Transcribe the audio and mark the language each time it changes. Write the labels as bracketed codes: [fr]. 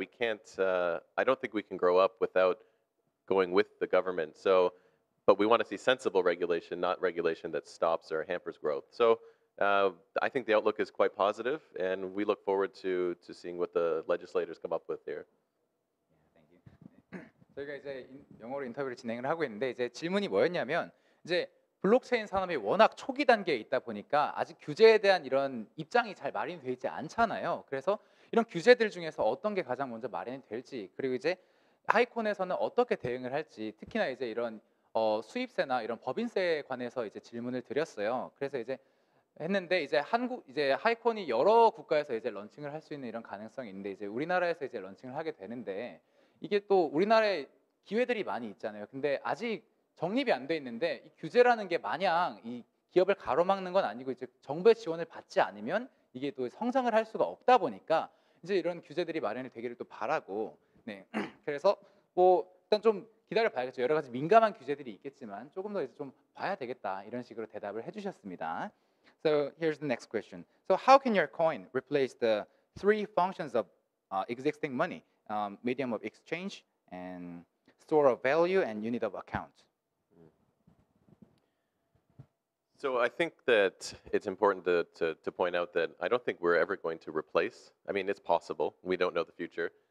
[en] We can't, I don't think we can grow up without going with the government. So, but we want to see sensible regulation, not regulation that stops or hampers growth. So I think the outlook is quite positive, and we look forward to seeing what the legislators come up with here. Thank you. [ko] 저희가 이제 영어로 인터뷰를 진행을 하고 있는데 이제 질문이 뭐였냐면 이제 블록체인 산업이 워낙 초기 단계에 있다 보니까 아직 규제에 대한 이런 입장이 잘 마련되어 있지 않잖아요. 그래서 이런 규제들 중에서 어떤 게 가장 먼저 마련될지 그리고 이제 하이콘에서는 어떻게 대응을 할지 특히나 이제 이런 수입세나 이런 법인세에 관해서 이제 질문을 드렸어요. 그래서 이제 했는데 이제 한국 이제 하이콘이 여러 국가에서 이제 런칭을 할 수 있는 이런 가능성이 있는데 이제 우리나라에서 이제 런칭을 하게 되는데 이게 또 우리나라에 기회들이 많이 있잖아요. 근데 아직 정립이 안 돼 있는데 이 규제라는 게 마냥 이 기업을 가로막는 건 아니고 이제 정부의 지원을 받지 않으면 이게 또 성장을 할 수가 없다 보니까 이제 이런 규제들이 마련이 되기를 또 바라고 네. 그래서 뭐 일단 좀 기다려 봐야겠죠. 여러 가지 민감한 규제들이 있겠지만 조금 더 이제 좀 봐야 되겠다. 이런 식으로 대답을 해 주셨습니다. [en] So, here's the next question. So, how can your coin replace the three functions of existing money? Medium of exchange and store of value and unit of account. So, I think that it's important to point out that I don't think we're ever going to replace. I mean, it's possible. We don't know the future.